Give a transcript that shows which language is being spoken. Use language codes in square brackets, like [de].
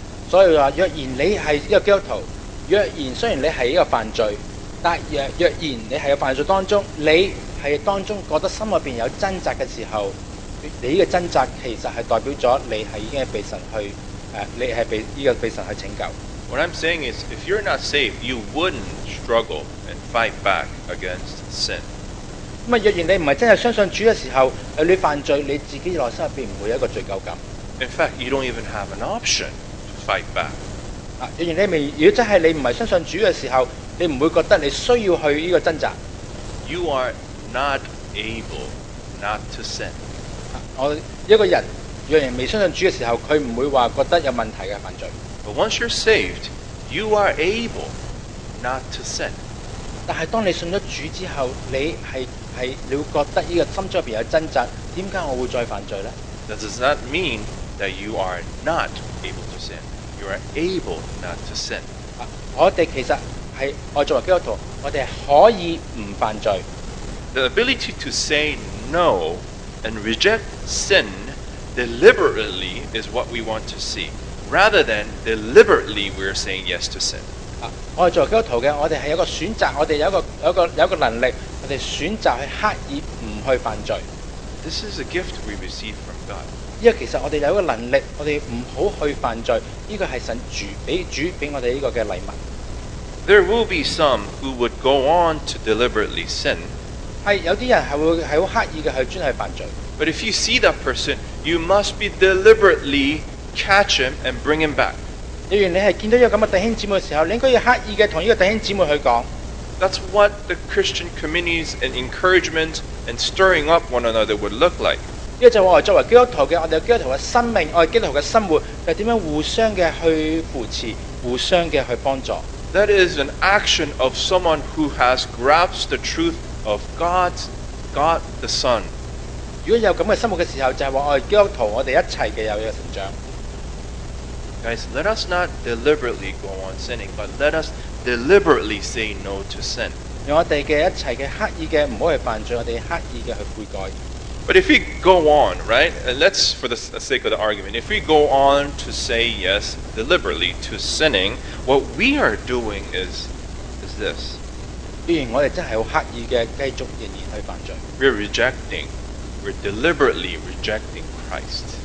[yue] 所以話，若然你係一個基督徒，若然雖然你係一個犯罪，但若然你係個犯罪當中，你係當中覺得心裏邊有掙扎嘅時候，你呢個掙扎其實係代表咗你係已經被神去你係被呢個被神去拯救。 [en] What I'm saying is, if you're not saved, you wouldn't struggle and fight back against sin. [yue] 咁啊，若然你唔係真係相信主嘅時候，你犯罪，你自己內心入邊唔會有一個罪疚感。 [en] In fact, you don't even have an option to fight back. [yue] 若然你未，如果真系你唔系相信主嘅时候，你唔会觉得你需要去呢个挣扎。 [en] You are not able not to sin. [yue] 我一个人若然未相信主嘅时候，佢唔会话觉得有问题嘅犯罪。 [en] But once you're saved, you are able not to sin. [yue] 但系当你信咗主之后，你会觉得呢个心中边有挣扎，点解我会再犯罪呢？ [en] That does not mean that you are not able to sin. You are able not to sin. [yue] 我哋其實係我作為基督徒，我哋可以唔犯罪。 [en] The ability to say no and reject sin deliberately is what we want to see, rather than deliberately we're saying yes to sin. [yue] 我作為基督徒嘅，我哋係有個選擇，我哋有一個能力，我哋選擇去刻意唔去犯罪。 [en] This is a gift we receive from God. [yue] 因為其實我哋有一個能力，我哋唔好去犯罪，呢個係神主俾我哋呢個嘅禮物。 [en] There will be some who would go on to deliberately sin. [yue] 係有啲人係會係好刻意嘅去專係犯罪。 [en] But if you see that person, you must be deliberately catch him and bring him back. [yue] 例如你係見到一個咁嘅弟兄姊妹嘅時候，你應該要刻意嘅同呢個弟兄姊妹去講。 [en] That's what the Christian communities and encouragement and stirring up one another would look like. [yue] 因為就話我作為基督徒嘅，我哋基督徒嘅生命，我哋基督徒嘅生活，就點樣互相嘅去扶持，互相嘅去幫助。 [en] That is an action of someone who has grasped the truth of God the Son. [yue] 如果有咁嘅生活嘅時候，就係話我哋基督徒，我哋一齊嘅有一個成長。 [en] Guys, let us not deliberately go on sinning, but let us. Deliberately say no to sin. [yue] 用我哋嘅一切嘅刻意嘅唔好去犯罪，我哋刻意嘅去悔改。 [en] But if we go on, right? Let's for the sake of the argument, if we go on to say yes deliberately to sinning, what we are doing is this. [yue] 既然我哋真系好刻意嘅继续仍然去犯罪。 [en] We're deliberately rejecting Christ.